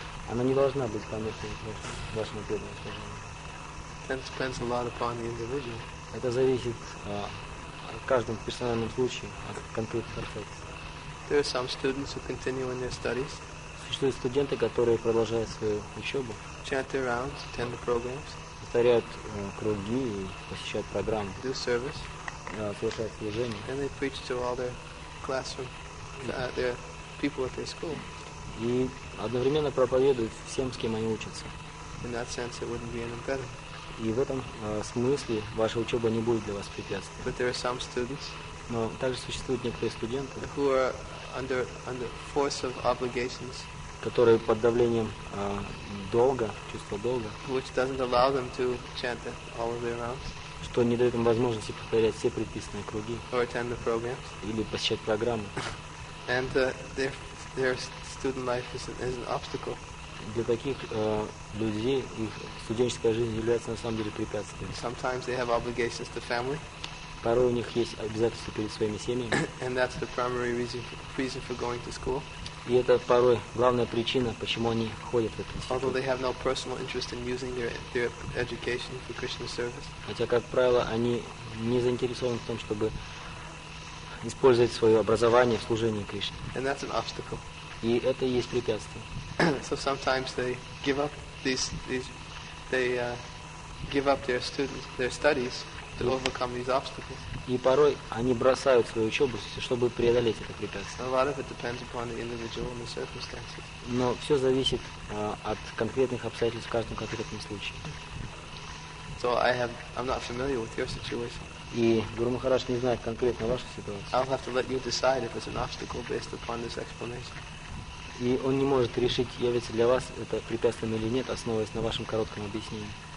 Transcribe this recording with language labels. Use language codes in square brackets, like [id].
[ru] Она не должна быть помехой для вашего преданного служения. [en] That depends a lot upon the individual. [ru] Это зависит от каждом персональном случае, от конкретных обстоятельств. [en] There are some students who continue in their studies. [ru] Существуют студенты, которые продолжают свою учебу. [en] Chant their rounds, attend the programs. [ru] Повторяют круги и посещают программы. [en] Do service. [ru] Совершают служение. [en] And they preach to all their classroom, their people at their school. [ru] И одновременно проповедуют всем, с кем они учатся. [en] In that sense, it wouldn't be any better. [ru] И в этом смысле ваша учеба не будет для вас препятствием. [en] But there are some students. [ru] Но также существуют некоторые студенты. [en] Who are under force of obligations. [ru] Которые под давлением долга, чувства долга, [en] which doesn't allow them to chant the, all of their rounds, [ru] что не дает им возможности повторять все предписанные круги, [en] or attend the programs, [ru] или посещать программы, [en] and their student life is an obstacle. [ru] Для таких людей их студенческая жизнь является на самом деле препятствием. [en] Sometimes they have obligations to family. [ru] Порой у них есть обязательства перед своими семьями. [en] And that's the primary reason for going to school. [ru] И это порой главная причина, почему они ходят в этот институт. [en] Although they have no personal interest in using their education for Krishna service. [ru] Хотя, как правило, они не заинтересованы в том, чтобы использовать свое образование в служении Кришне. [en] And that's an obstacle. [ru] И это и есть препятствие. [en] So sometimes they give up their studies to overcome these obstacles. [ru] И порой они бросают свою учебу, чтобы преодолеть это препятствие. [en] A lot of it depends upon the individual and the circumstances. [ru] Но все зависит от конкретных обстоятельств в каждом конкретном случае. [en] So I'm not familiar with your situation. [ru] И Гуру Махарадж не знает конкретно вашу ситуацию. [en] I'll have to let you decide if it's an obstacle based upon this explanation. [ru] И он не может решить, является для вас это препятствием или нет, основываясь на вашем коротком объяснении.